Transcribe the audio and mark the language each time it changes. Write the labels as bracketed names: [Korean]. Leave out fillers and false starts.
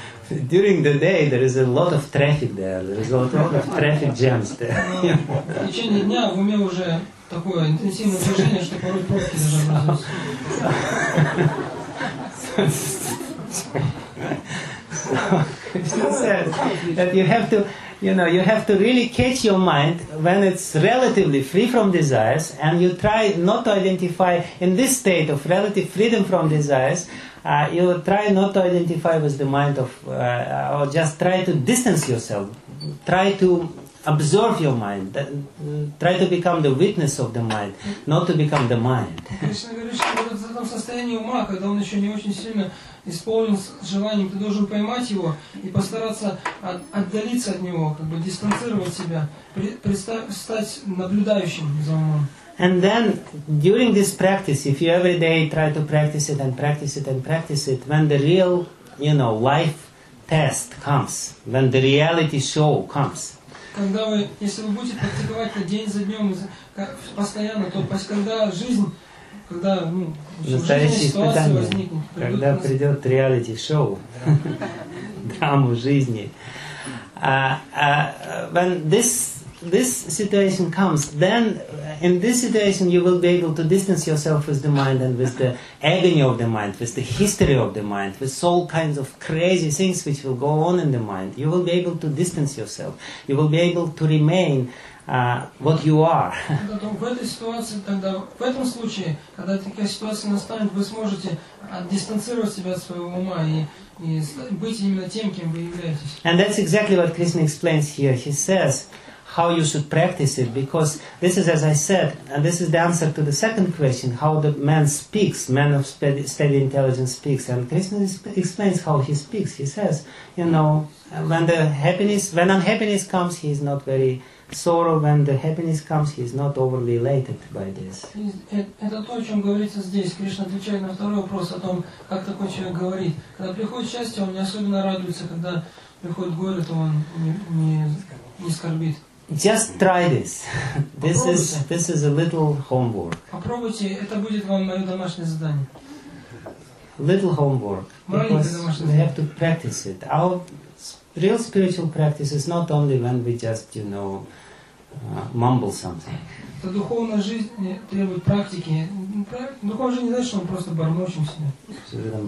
[English] During the day there is a lot of traffic there. There is a lot of traffic jams there. [Russian] В течение дня в уме уже такое интенсивное движение, что порой пробки даже [English] Krishna says that you have to really catch your mind when it's relatively free from desires, and you try not to identify in this state of relative freedom from desires. You try not to identify with the mind of, or just try to distance yourself. Try to observe your mind. Try to become the witness of the mind, not to become the mind. [Russian] Кришна говорит, что в этом состоянии ума, когда он еще не очень сильно исполнен желанием, ты должен поймать его и постараться отдалиться от него, как бы дистанцировать себя, стать наблюдающим за умом. [English] And then, during this practice, if you every day try to practice it and practice it and practice it, when the real, you know, life test comes, when the reality show comes. [Russian] Когда вы, если вы будете практиковать это день за днем, постоянно, то когда жизнь, когда, ну, настоящие испытания, когда придет reality show, драму жизни, [English] when this situation comes, then in this situation you will be able to distance yourself with the mind and with the agony of the mind, with the history of the mind, with all kinds of crazy things which will go on in the mind. You will be able to distance yourself. You will be able to remain what you are. [Russian] В этой ситуации, тогда, в этом случае, когда такая ситуация настанет, вы сможете дистанцировать себя от своего ума и быть именно тем, кем вы являетесь. [English] And that's exactly what Krishna explains here. He says how you should practice it, because this is, as I said, and this is the answer to the second question, how the man speaks, man of steady intelligence speaks. And Krishna explains how he speaks. He says, you know, when unhappiness comes, he is not very sorrow. When the happiness comes, he is not overly elated by this. [Russian] Это то, о чем говорится здесь. Кришна отвечает на второй вопрос о том, как такой человек говорит. Когда приходит счастье, он не особенно радуется. Когда приходит горе, то он не скорбит. [English] Just try this. This is a little homework. [Russian] Попробуйте, это будет вам мое домашнее задание. [English] Little homework. [Russian] Маленькое. [English] We have to practice it. Our real spiritual practice is not only when we just, you know, mumble something. [Russian] Это духовная жизнь требует практики. Духовная жизнь не значит, что мы просто бормочем себе.